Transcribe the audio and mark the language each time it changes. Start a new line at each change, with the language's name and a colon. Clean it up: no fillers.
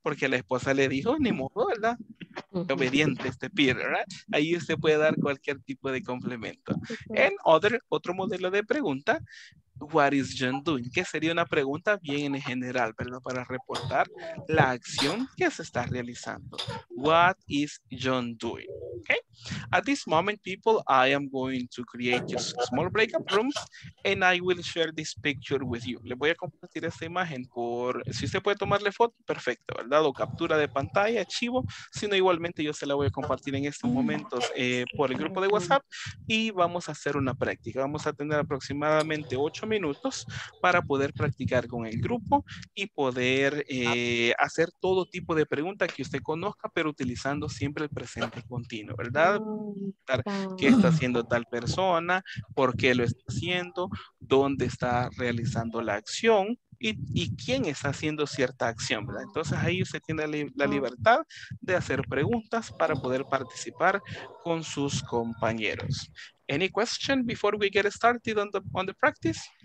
Spanish: Porque la esposa le dijo, ni modo, ¿verdad? Obediente este Peter, ¿verdad? Ahí usted puede dar cualquier tipo de complemento. En otro modelo de pregunta,
English: what is John doing?
Spanish: Que sería una pregunta bien en general, ¿verdad? Para reportar la acción que se está realizando.
English: What is John doing? Okay. At this moment, people, I am going to create just small breakout rooms and I will share this picture with you.
Spanish: Le voy a compartir esta imagen si usted puede tomarle foto, perfecto, ¿verdad? O captura de pantalla, archivo. Si no, igualmente yo se la voy a compartir en estos momentos por el grupo de WhatsApp, y vamos a hacer una práctica. Vamos a tener aproximadamente 8 minutos para poder practicar con el grupo y poder hacer todo tipo de preguntas que usted conozca, pero utilizando siempre el presente continuo, ¿verdad? ¿Qué está haciendo tal persona? ¿Por qué lo está haciendo? ¿Dónde está realizando la acción? ¿Y quién está haciendo cierta acción, ¿verdad? Entonces ahí usted tiene la libertad de hacer preguntas para poder participar con sus compañeros.
English: Any question before we get started on the practice?